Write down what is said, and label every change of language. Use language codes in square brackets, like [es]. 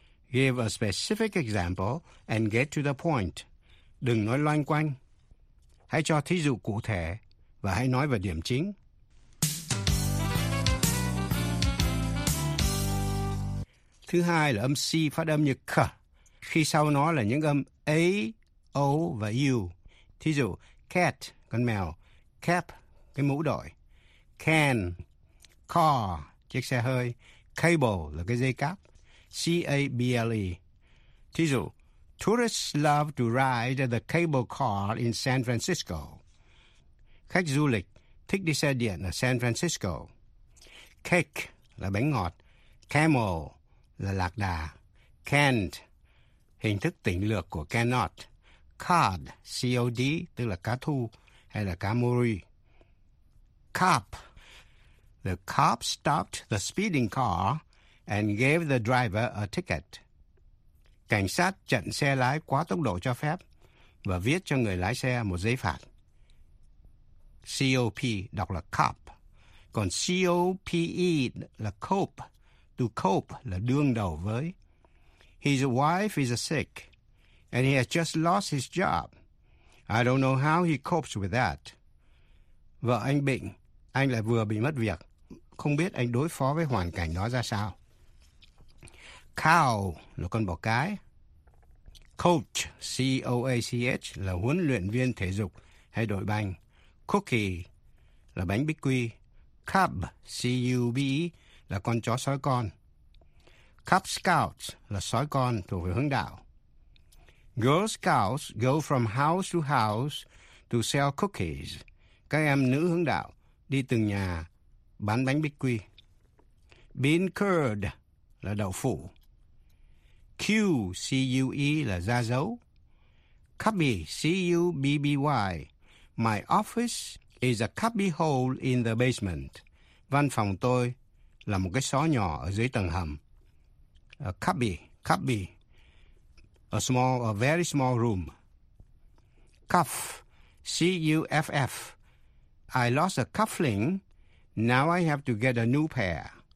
[en] Give a specific example and get to the point. [vi] Đừng nói loanh quanh. Hãy cho thí dụ cụ thể và hãy nói về điểm chính. Thứ hai là âm C phát âm như k. Khi sau nó là những âm A, O và U. Thí dụ, cat, con mèo, cap, cái mũ đội, can, car, chiếc xe hơi, cable là cái dây cáp, C-A-B-L-E. Thí dụ, [en] tourists love to ride the cable car in San Francisco. [vi] Khách du lịch thích đi xe điện ở San Francisco. Cake là bánh ngọt, camel là lạc đà, can't, hình thức tỉnh lược của cannot. Cod, C-O-D, tức là cá thu hay là cá mori. [en] Cop, the cop stopped the speeding car and gave the driver a ticket. [vi] Cảnh sát chặn xe lái quá tốc độ cho phép và viết cho người lái xe một giấy phạt. C-O-P, đọc là cop. Còn C-O-P-E là cope. [en] To cope [vi] là đương đầu với. [en] His wife is sick. And he has just lost his job. I don't know how he copes with that. [vi] Vợ anh bệnh, anh lại vừa bị mất việc. Không biết anh đối phó với hoàn cảnh đó ra sao. Cow là con bò cái. Coach, C-O-A-C-H, là huấn luyện viên thể dục hay đội banh. Cookie là bánh bích quy. Cub, C-U-B, là con chó sói con. [en] Cub Scouts [vi] là sói con thuộc về hướng đạo. [en] Girl Scouts go from house to house to sell cookies. [vi] Các em nữ hướng đạo đi từng nhà bán bánh bích quy. Bean curd là đậu phụ. Q-C-U-E là da dấu. [en] Cubby, C-U-B-B-Y. My office is a cubby hole in the basement. [vi] Văn phòng tôi là một cái xó nhỏ ở dưới tầng hầm. [en] A cubby, cubby. A small, a very small room. Cuff, C-U-F-F. I lost a cuffling. Now I have to get a new pair.